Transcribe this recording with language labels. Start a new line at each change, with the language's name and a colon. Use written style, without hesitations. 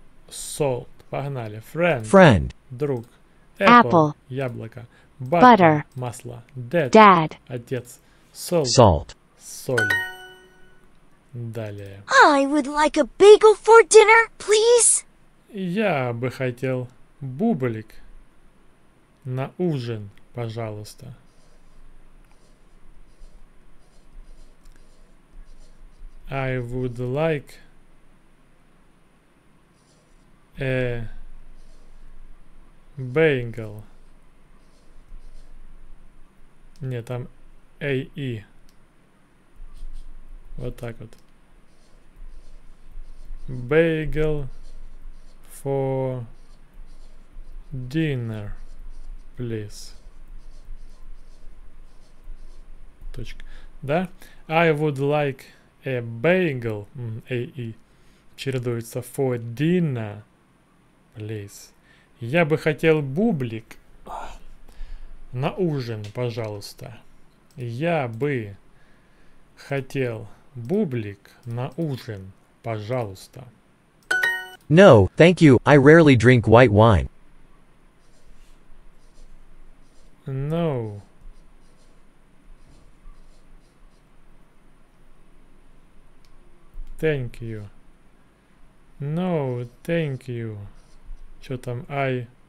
Russian: Солт. Погнали. Friend.
English: Friend.
Russian: Друг. Apple.
English: Apple.
Russian: Яблоко. Butter.
English: Butter.
Russian: Масло. Dad.
English: Dad.
Russian: Отец. Солт.
English: Salt.
Russian: Соль. Далее.
English: I would like a bagel for dinner, please.
Russian: Я бы хотел бублик на ужин. пожалуйста.
English: I would like a bagel.
Russian: Не, там AE. Вот так вот.
English: Bagel for dinner, please.
Russian: Точка. Да?
English: I would like a bagel, AE, чередуется for dinner, please.
Russian: Я бы хотел бублик на ужин, пожалуйста. Я бы хотел бублик на ужин, пожалуйста.
English: No, thank you. I rarely drink white wine. No. Thank you. No, thank you.
Russian: Что там?
English: I...